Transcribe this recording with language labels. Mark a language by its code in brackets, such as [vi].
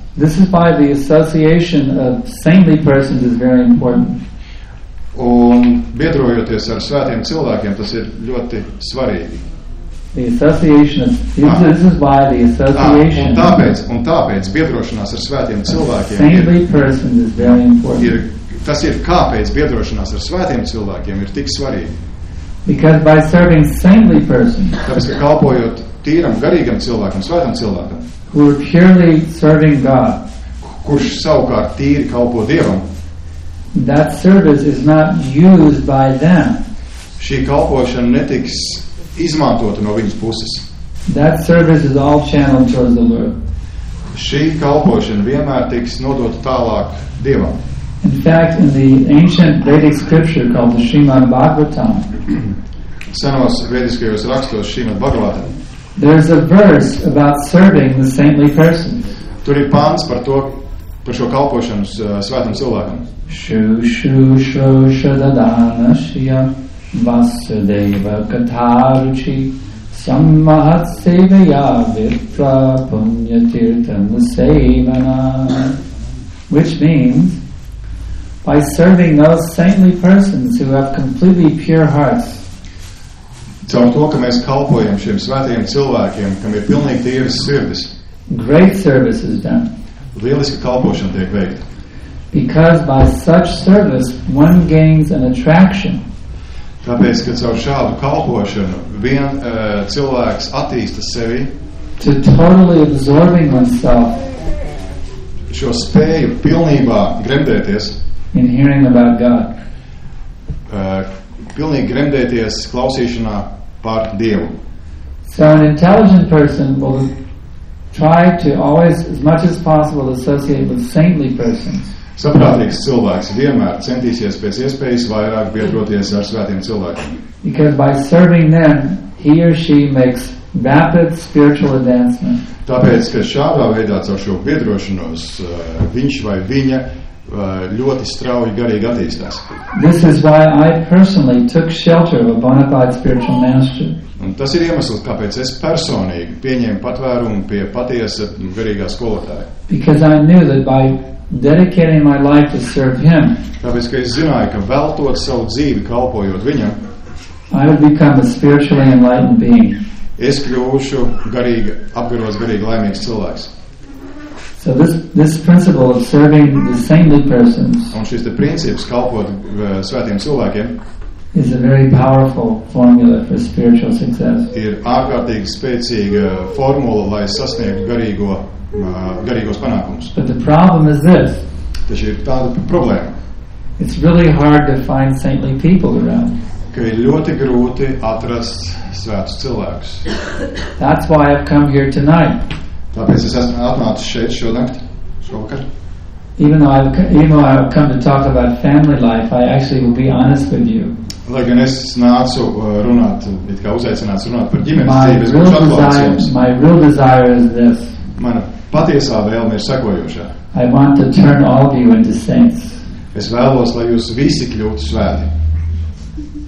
[en] This is why the association of saintly persons is very important. [lv] Un biedrojoties ar svētiem cilvēkiem, tas ir ļoti svarīgi. Tāpēc biedrošanās ar svētiem cilvēkiem kāpēc biedrošanās ar svētiem cilvēkiem ir tik svarīgi. [en] Because by serving saintly persons, [lv] tāpēc, ka kalpojot tīram, garīgam cilvēkam, svētam cilvēkam, [en] who are purely serving God, [lv] kurš savukārt tīri kalpo Dievam, [en] that service is not used by them. [lv] Šī kalpošana netiks izmantota no viņas puses. [en] That service is all channeled towards the Lord. [lv] Šī kalpošana vienmēr tiks nodota tālāk Dievam. [en] In fact, in the ancient Vedic scripture called the Srimad Bhagavatam, [lv] senos vediskajos rakstos Srimad Bhagavatam, [en] there is a verse about serving the saintly persons. [lv] Tur ir pāns par to, par šo kalpošanu svētam cilvēkam. [sa] Shū shū shū shadadāna shīya vasudeva katāruči sammahat sevaya vitra puṇya tirtham sevanā, [en] which means by serving those saintly persons who have completely pure hearts. [lv] Caur to, ka mēs kalpojam šiem svētajiem cilvēkiem, kam ir pilnīgi tīras sirdis. [en] Great service is done. [lv] Lieliska kalpošana tiek veikta. [en] Because by such service one gains an attraction. [lv] Tāpēc, ka caur šādu kalpošanu vien cilvēks attīsta sevi. [en] To totally absorbing oneself. [lv] Šo spēju pilnībā gremdēties. [en] In hearing about God. [lv] Pilnīgi gremdēties klausīšanā par Dievu. [en] So an intelligent person will try to always as much as possible associate with saintly persons. [lv] Saprātīgs cilvēks vienmēr centīsies pēc iespējas vairāk biedroties ar svētiem cilvēkiem. [en] Because by serving them, he or she makes rapid spiritual advancement. [lv] Tāpēc, ka šādā veidā caur šo biedrošanos viņš vai viņa ļoti strauji garīgi attīstās. [en] This is why I personally took shelter of a bona fide spiritual master. [lv] Un tas ir iemesls, kāpēc es personīgi pieņēmu patvērumu pie patiesa garīgā skolotāja. [en] Because I knew that by dedicating my life to serve him. [lv] Tāpēc, ka es zināju, ka veltot savu dzīvi kalpojot viņam, [en] I would become a spiritually enlightened being. [lv] Es kļūšu garīgi, apgaros garīgi laimīgs cilvēks. [en] So this principle of serving the saintly persons. [lv] Un šis te princips kalpot svētiem cilvēkiem [en] is a very powerful formula for spiritual success. [lv] Ir ārkārtīgi spēcīga formula, lai sasniegtu garīgos panākumus. [en] But the problem is this. [lv] Tas ir tāda problēma. [en] It's really hard to find saintly people around. [lv] Ka ir ļoti grūti atrast svētus cilvēkus. [en] That's why I've come here tonight. [lv] Tāpēc es esmu atnācis šeit šodakt, šovakar. [en] Even though I've come to talk about family life, I actually will be honest with you. [lv] Lai gan es nācu runāt, it kā uzaicināts runāt par ģimenes dzīves, bet šo atklāts [en] My real desire is this. [lv] Mana patiesā vēlme ir sekojošā. [en] I want to turn all of you into saints. [lv] Es vēlos, lai jūs visi kļūtu svēti.